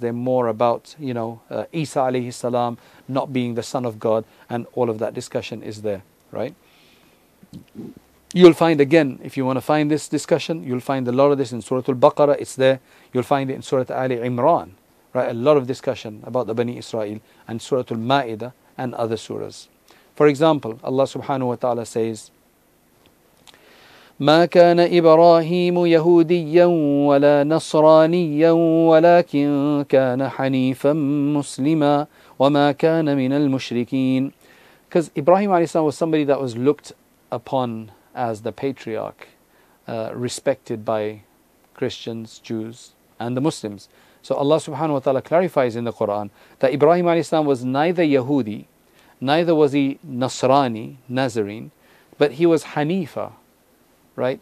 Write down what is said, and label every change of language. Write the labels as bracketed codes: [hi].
[en] They're more about, you know, Isa alayhi salam not being the son of God, and all of that discussion is there, right? You'll find, again, if you want to find this discussion, you'll find a lot of this in Surah Al-Baqarah. It's there. You'll find it in Surah Ali Imran, right? A lot of discussion about the Bani Israel, and Surah Al-Ma'idah and other surahs. For example, Allah subhanahu wa ta'ala says, [ar] ما كان إبراهيم يهوديا ولا نصرانيا ولكن كان حنيفا مسلما وَمَا كَانَ مِنَ الْمُشْرِكِينَ. [en] Because Ibrahim alayhi salam was somebody that was looked upon as the patriarch, respected by Christians, Jews, and the Muslims. So Allah subhanahu wa ta'ala clarifies in the Quran that Ibrahim alayhi salam was neither Yahudi, neither was he Nasrani, Nazarene, but he was Hanifa, right?